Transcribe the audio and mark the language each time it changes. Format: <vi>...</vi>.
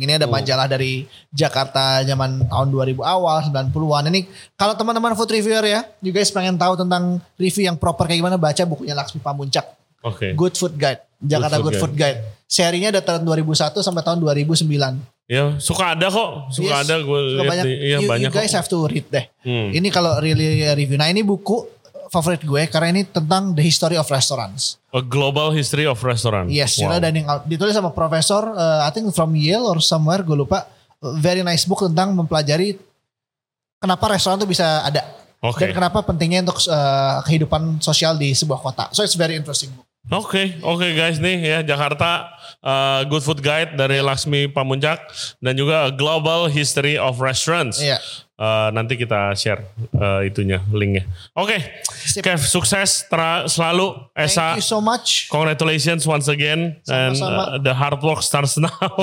<id>Ini ada majalah dari Jakarta zaman tahun 2000 awal, 90-an. Ini kalau teman-teman food reviewer ya,</id> <en>you guys</en> <id>pengen tahu tentang review yang proper kayak gimana, baca bukunya Laksmi Pamuncak. Oke.</id> <en>Okay. Good Food Guide, Jakarta Good Food Guide.</en> <id>Serinya dari tahun 2001 sampai tahun 2009. Ya, suka ada kok, suka,</id> <en>yes,</en> <id>ada gue lihat. Banyak, di, ya, you, banyak</id> <en>you guys</en> <id>kok.</id> <en>Have to read</en> <id>deh. Ini kalau</id> <en>really review.</en> <id>Nah, ini buku favorit gue karena ini tentang</id> <en>the history of restaurants. A global history of restaurants. Yes, wow. Dining out.</en> <id>Ditulis sama profesor,</id> <en>I think from Yale or somewhere,</en> <id>gue lupa.</id> <en>Very nice book</en> <id>tentang mempelajari kenapa restoran tuh bisa ada.</id> <en>Okay.</en> <id>Dan kenapa pentingnya untuk kehidupan sosial di sebuah kota.</id> <en>So it's very interesting book.</en> <id>Oke, okay,</id> <en>okay guys,</en> <id>nih ya Jakarta, Good Food Guide dari Laksmi Pamuncak dan juga Global History of Restaurants. Iya. Nanti kita share itunya, linknya. Oke, okay. Kev, sukses selalu. Esa,</id> <en>thank you so much. Congratulations once again.</en> <id>Sama-sama.</id> <en>And the hard work starts now.</en>